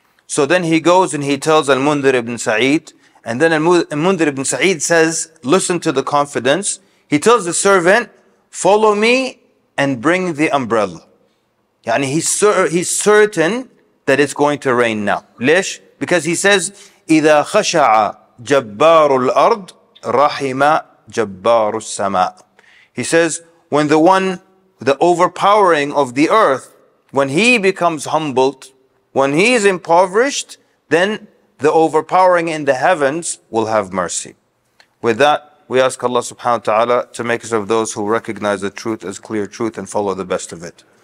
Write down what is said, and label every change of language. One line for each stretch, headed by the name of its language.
English: So then he goes and he tells Al-Mundhir ibn Sa'id, and then Al-Mundhir ibn Sa'id says, listen to the confidence. He tells the servant, follow me and bring the umbrella. Yani he's certain that it's going to rain now.
Arabic: Lish?
English: Because he says,
Arabic: إِذَا خَشَعَ جَبَّارُ الْأَرْضِ رَحِمَ جَبَّارُ السَّمَاءِ.
English: He says, when the overpowering of the earth, when he becomes humbled, when he is impoverished, then the overpowering in the heavens will have mercy. With that, we ask Allah subhanahu wa ta'ala to make us of those who recognize the truth as clear truth and follow the best of it.